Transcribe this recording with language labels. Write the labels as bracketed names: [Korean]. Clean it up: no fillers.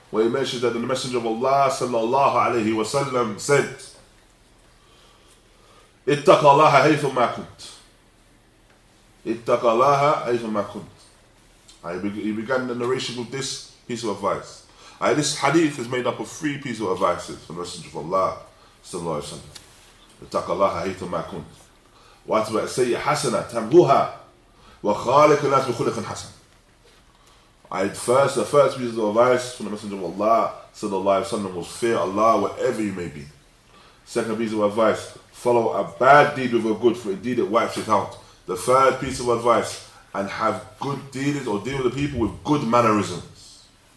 [English] where he mentions that the Messenger of Allah sallallahu alayhi wa sallam said, اتق الله حيث ما كنت. [Arabic] اتق الله حيث ما كنت. [English] He began the narration with this piece of advice. This hadith is made up of three pieces of advice from the Messenger of Allah sallallahu alayhi wa sallam. [Arabic] اتق الله حيث ما كنت. واتبع السيئة حسنة تمحوها. وخالق الناس بخلق حسن. [English] The first piece of advice from the Messenger of Allah sallallahu alayhi wa sallam was fear Allah wherever you may be. Second piece of advice, follow a bad deed with a good, for indeed it wipes it out. The third piece of advice, and have good dealings or deal with the people with good mannerisms.